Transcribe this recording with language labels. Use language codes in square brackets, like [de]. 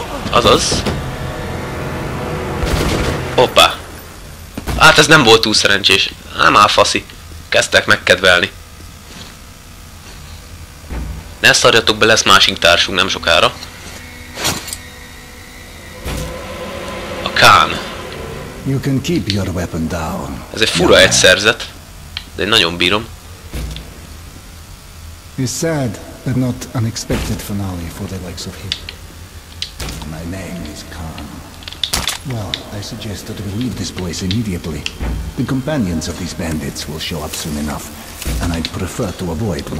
[hu] Azaz. Hoppá. Hát ez nem volt túl szerencsés. Nem áll faszi. Kezdtek megkedvelni. Ne szarjatok be, lesz másik társunk nem sokára. A Khan. [en] You can keep your weapon down. [hu] Ez egy fura egy szerzet, de én nagyon bírom. [en] It's sad, but not unexpected finale for the likes of him. My name is Khan. Well, I suggest that we leave this place immediately. The companions of these bandits will show up soon enough. And I'd prefer to avoid more.